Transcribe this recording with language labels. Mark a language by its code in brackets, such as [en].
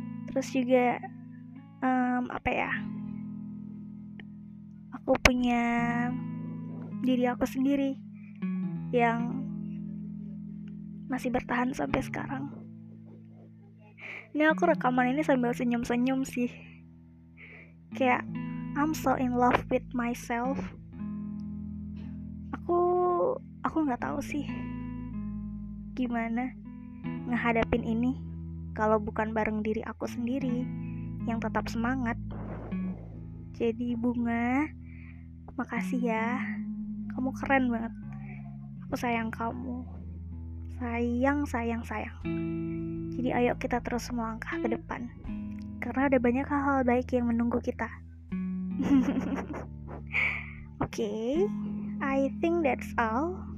[id] Terus juga apa ya, aku punya diri aku sendiri yang masih bertahan sampai sekarang. Ini aku rekaman ini sambil senyum-senyum sih. [en] Kayak I'm so in love with myself. [id] Aku gak tahu sih gimana ngehadapin ini kalau bukan bareng diri aku sendiri yang tetap semangat. Jadi Bunga, makasih ya. Kamu keren banget. Aku sayang kamu. Sayang, sayang, sayang. Jadi ayo kita terus melangkah ke depan, karena ada banyak hal-hal baik yang menunggu kita. [en] Oke, okay, I think that's all.